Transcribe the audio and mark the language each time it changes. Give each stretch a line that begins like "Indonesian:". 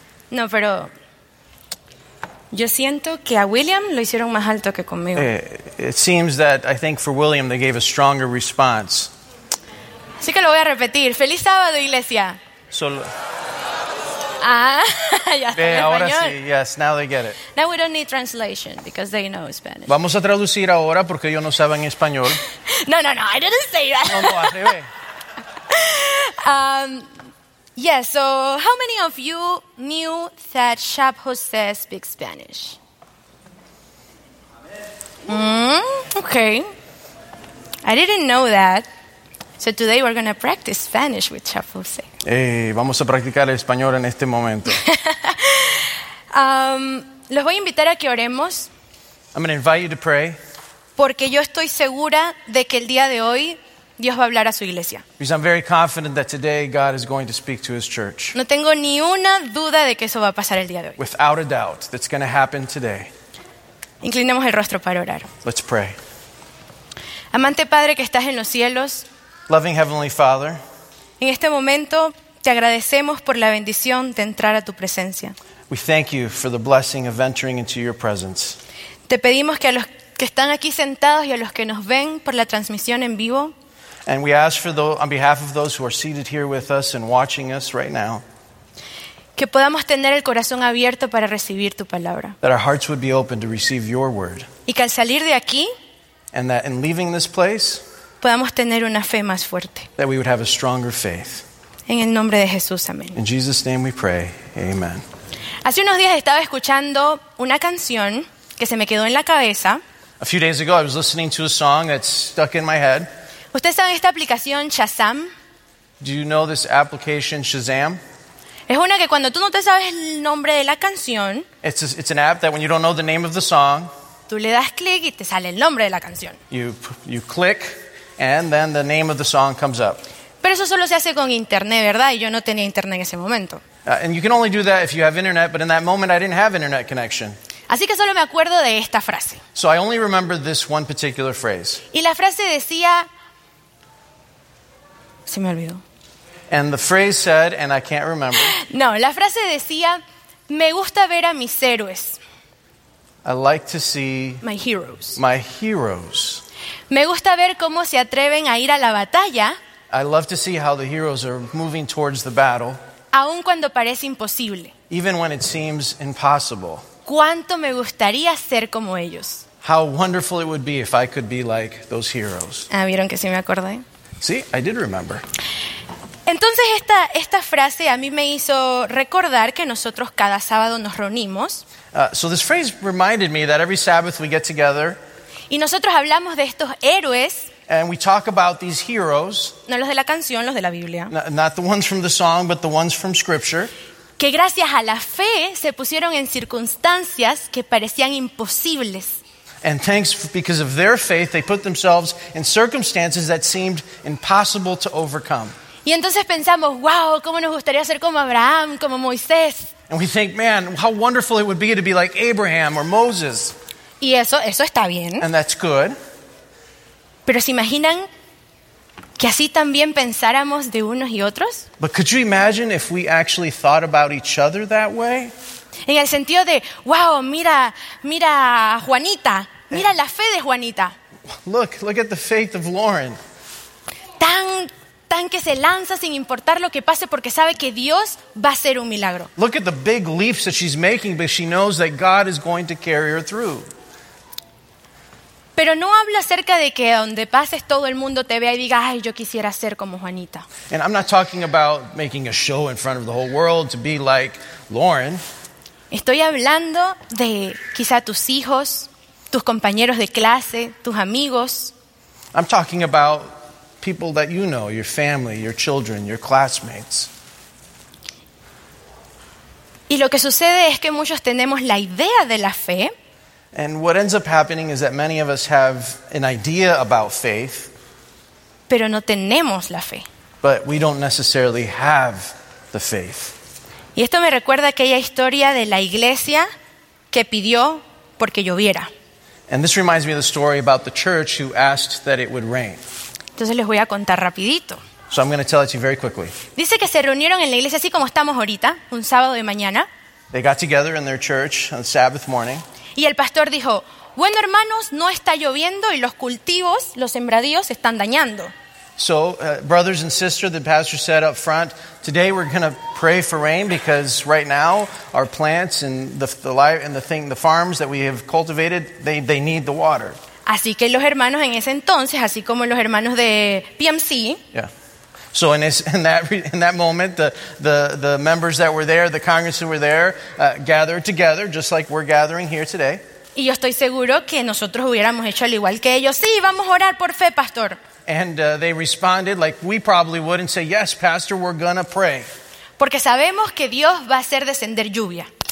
Spanish: No, pero yo siento que a William lo hicieron más alto que conmigo.
English: It seems that I think for William they gave a stronger response.
Spanish: Así que lo voy a repetir. Feliz sábado, iglesia. Solo. Ah, ya está. Bien, ahora español.
English: Sí. Yes, now they get it. Now we don't need translation because they know Spanish.
Spanish: Vamos a traducir ahora porque ellos no saben español.
English: No, I didn't say that.
Spanish: No, al revés.
English: Yeah, so how many of you knew that Shab Jose speaks Spanish? Okay. I didn't know that. So today we're going to practice Spanish with Shab Jose.
Spanish: Hey, vamos a practicar el español en este momento. Los voy a invitar a que oremos.
English: I'm going to invite you to pray.
Spanish: Porque yo estoy segura de que el día de hoy Dios va a hablar a su iglesia.
English: Because I'm very confident that today God is going to speak to his church.
Spanish: No tengo ni una duda de que eso va a pasar el día de hoy.
English: Without a doubt, that's going to happen today.
Spanish: Inclinemos el rostro para orar.
English: Let's pray.
Spanish: Amante Padre que estás en los cielos.
English: Loving Heavenly Father.
Spanish: En este momento te agradecemos por la bendición de entrar a tu presencia.
English: We thank you for the blessing of entering into your presence.
Spanish: Te pedimos que a los que están aquí sentados y a los que nos ven por la transmisión en vivo.
English: And we ask for those, on behalf of those who are seated here with us and watching us right now,
Spanish: que podamos tener el corazón abierto para recibir tu palabra.
English: That our hearts would be open to receive your word.
Spanish: Y que al salir de aquí,
English: and that in leaving this place,
Spanish: podamos tener una fe más fuerte.
English: That we would have a stronger faith.
Spanish: En el nombre de Jesús, amén.
English: In Jesus' name we pray. Amen.
Spanish: Hace unos días estaba escuchando una canción que se me quedó en la cabeza.
English: A few days ago I was listening to a song that stuck in my head.
Spanish: ¿Usted sabe esta aplicación Shazam?
English: Do you know this application Shazam?
Spanish: Es una que cuando tú no te sabes el nombre de la canción,
English: it's an app that when you don't know the name of the song,
Spanish: tú le das clic y te sale el nombre de la canción.
English: You click and then the name of the song comes up.
Spanish: Pero eso solo se hace con internet, ¿verdad? Y yo no tenía internet en ese momento.
English: And you can only do that if you have internet, but in that moment I didn't have internet connection.
Spanish: Así que solo me acuerdo de esta frase.
English: So I only remember this one particular phrase.
Spanish: Y la frase decía, se me olvidó.
English: And the phrase said, and I can't remember.
Spanish: No, la frase decía, me gusta ver a mis héroes.
English: I like to see my heroes. My heroes.
Spanish: Me gusta ver cómo se atreven a ir a la batalla.
English: I love to see how the heroes are moving towards the battle.
Spanish: Aun cuando parece imposible.
English: Even when it seems impossible.
Spanish: Cuánto me gustaría ser como ellos.
English: How wonderful it would be if I could be like those heroes.
Spanish: Ah, ¿vieron que sí me acordé?
English: Sí, I did remember.
Spanish: Entonces esta frase a mí me hizo recordar que nosotros cada sábado nos reunimos.
English: So this phrase reminded me that every Sabbath we get together.
Spanish: Y nosotros hablamos de estos héroes.
English: And we talk about these heroes.
Spanish: No los de la canción, los de la Biblia.
English: Not the ones from the song, but the ones from Scripture.
Spanish: Que gracias a la fe se pusieron en circunstancias que parecían imposibles.
English: And thanks because of their faith, they put themselves in circumstances that seemed impossible to overcome.
Spanish: Y entonces pensamos, wow, cómo nos gustaría ser como Abraham, como Moisés.
English: And we think, man, how wonderful it would be to be like Abraham or Moses.
Spanish: Y eso está bien.
English: And that's good.
Spanish: Pero ¿se imaginan que así también pensáramos de unos y otros?
English: But could you imagine if we actually thought about each other that way?
Spanish: En el sentido de, wow, mira a Juanita, mira la fe de Juanita.
English: Look at the faith of Lauren.
Spanish: Tan que se lanza sin importar lo que pase porque sabe que Dios va a hacer un milagro.
English: Look at the big leaps that she's making, but she knows that God is going to carry her through.
Spanish: Pero no hablo acerca de que donde pases todo el mundo te vea y diga, ay, yo quisiera ser como Juanita.
English: And I'm not talking about making a show in front of the whole world to be like Lauren.
Spanish: Estoy hablando de quizá tus hijos, tus compañeros de clase, tus amigos.
English: I'm talking about people that you know, your family, your children, your classmates.
Spanish: Y lo que sucede es que muchos tenemos la idea de la fe.
English: And what ends up happening is that many of us have an idea about faith.
Spanish: Pero no tenemos la fe.
English: But we don't necessarily have the faith.
Spanish: Y esto me recuerda aquella historia de la iglesia que pidió porque lloviera.
English: And this reminds me of the story about the church who asked that it would rain.
Spanish: Entonces les voy a contar rapidito.
English: So I'm going to tell it to you very quickly.
Spanish: Dice que se reunieron en la iglesia así como estamos ahorita, un sábado de mañana.
English: They got together in their church on Sabbath morning.
Spanish: Y el pastor dijo, bueno hermanos, no está lloviendo y los cultivos, los sembradíos están dañando.
English: So, brothers and sisters, the pastor said up front, today we're going to pray for rain because right now our plants and the farms that we have cultivated, they need the water.
Spanish: Así que los hermanos en ese entonces, así como los hermanos de PMC.
English: Yeah. So in that moment, the members that were there, the congregants that were there, gathered together, just like we're gathering here today.
Spanish: Y yo estoy seguro que nosotros hubiéramos hecho al igual que ellos. Sí, vamos a orar por fe, pastor.
English: And they responded like we probably would and say, yes, pastor, we're going to pray.
Spanish: Porque sabemos que Dios va a hacer descender lluvia.